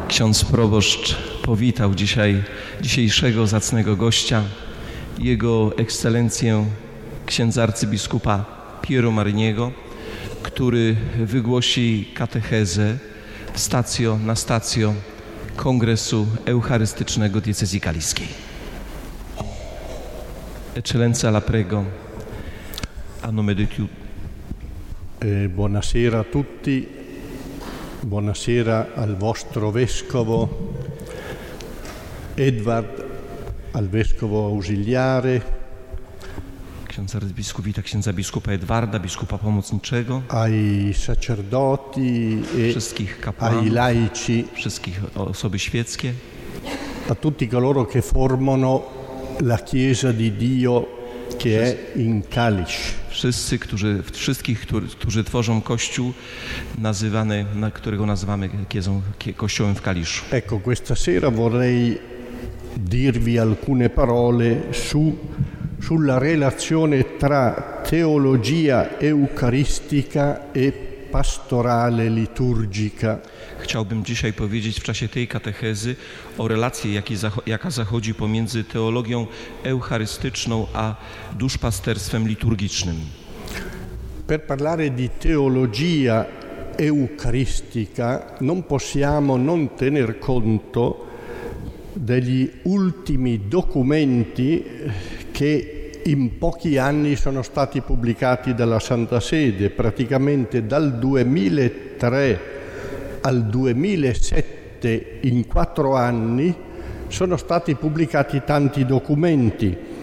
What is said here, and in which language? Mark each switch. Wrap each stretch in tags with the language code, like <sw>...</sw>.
<pl>Ksiądz proboszcz powitał dzisiejszego zacnego gościa, jego ekscelencję księdza arcybiskupa Piero Mariniego, który wygłosi katechezę na stacjo Kongresu Eucharystycznego Diecezji Kaliskiej.</pl> <it>Eccellenza la prego, a nome di tutti. Buonasera a tutti, buonasera al vostro vescovo Edward, al vescovo ausiliare.</it> <pl>Ksiądz arcybiskup wita księdza biskupa Edwarda, biskupa pomocniczego.</pl> <it>Ai sacerdoti,</it> <pl>wszystkich kapłanów,</pl> <it>ai laici,</it> <pl>wszystkich osoby świeckie.</pl> <it>A tutti coloro che formano la Chiesa di Dio che è in calice.</it> <pl>Wszyscy, którzy tworzą kościół nazywany, na którego nazywamy kościołem w Kaliszu.</pl> <it>Ecco, questa sera vorrei dirvi alcune parole sulla relazione tra teologia eucaristica e pastorale liturgica.</it> <pl>Chciałbym dzisiaj powiedzieć w czasie tej katechezy o relacji, jaka zachodzi pomiędzy teologią eucharystyczną a duszpasterstwem liturgicznym.</pl> <it>Per parlare di teologia eucaristica non possiamo non tener conto degli ultimi documenti che in pochi anni sono stati pubblicati dalla Santa Sede, praticamente dal 2003 al 2007, in 4 anni, sono stati pubblicati tanti documenti.</it>